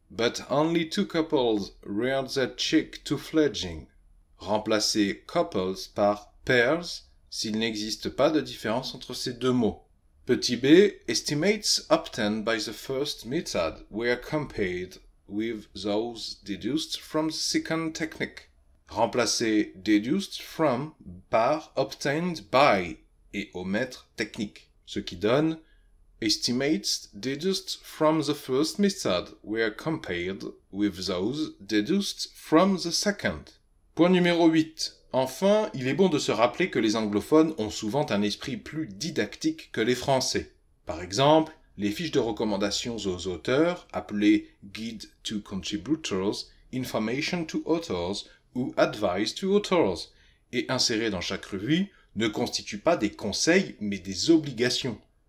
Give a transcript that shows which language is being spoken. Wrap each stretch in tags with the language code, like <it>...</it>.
<en>But only two couples reared their chick to fledging.</en> <fr>Remplacez couples par pairs s'il n'existe pas de différence entre ces deux mots. Petit b,</fr> <en>estimates obtained by the first method were compared with those deduced from the second technique.</en> <fr>Remplacez</fr> <en>deduced from</en> <fr>par</fr> <en>obtained by</en> <fr>et omettre</fr> <en>technique,</en> <fr>ce qui donne</fr> <en>estimates deduced from the first method were compared with those deduced from the second.</en> <fr>Point numéro 8. Enfin, il est bon de se rappeler que les anglophones ont souvent un esprit plus didactique que les français. Par exemple, les fiches de recommandations aux auteurs, appelées Guide to Contributors, Information to Authors ou Advice to Authors, et insérées dans chaque revue, ne constituent pas des conseils mais des obligations.</fr>